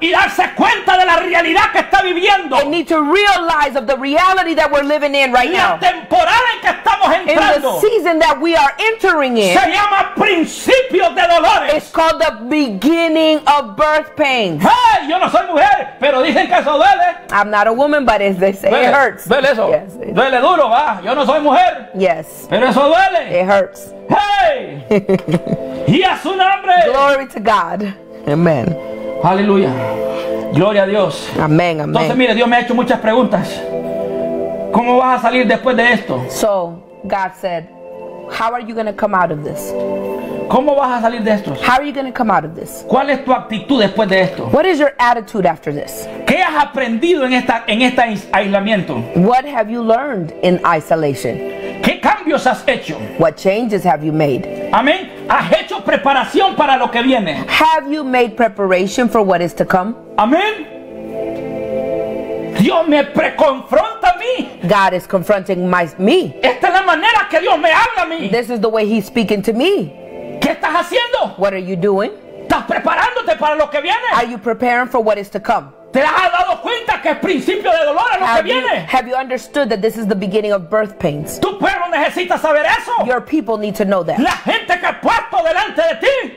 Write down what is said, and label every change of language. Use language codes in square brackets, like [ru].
[es] Y darse cuenta de la realidad que está viviendo. [en] They need to realize of the reality that we're living in right now. [es] La temporada en que estamos entrando. [en] In the season that we are entering in. [es] Se llama principio de dolores. [en] It's called the beginning of birth pains. [es] Hey, yo no soy mujer, pero dicen que eso duele. [en] I'm not a woman, but as they say, [es] duele, [en] it hurts. [es] Duele eso. Yes, duele duro, va. Yo no soy mujer. [en] Yes. [es] Pero eso duele. [en] It hurts. [es] Hey. Y a su nombre. [en] Glory to God. Amen. [es] Aleluya. Gloria a Dios. Amen, amen. Entonces, mire, Dios me ha hecho muchas preguntas. ¿Cómo vas a salir después de esto? [en] So, God said, how are you going to come out of this? [es] ¿Cómo vas a salir de esto? [en] How are you going to come out of this? [es] ¿Cuál es tu actitud después de esto? [en] What is your attitude after this? [es] ¿Qué has aprendido en este aislamiento? [en] What have you learned in isolation? [es] ¿Qué cambios has hecho? [en] What changes have you made? [es] Amén. ¿Has hecho preparación para lo que viene? [en] Have you made preparation for what is to come? [es] Amén. Dios me preconfronta a mí. [en] God is confronting me. [es] Esta es la manera que Dios me habla a mí. [en] This is the way he's speaking to me. [es] ¿Qué estás haciendo? [en] What are you doing? [es] ¿Estás preparándote para lo que viene? [en] Are you preparing for what is to come? [es] ¿Te has dado cuenta que es principio de dolor a lo que viene? [en] Have you understood that this is the beginning of birth pains? [es] Tu pueblo necesita saber eso. [en] Your people need to know that. [es] La gente que he puesto delante de ti.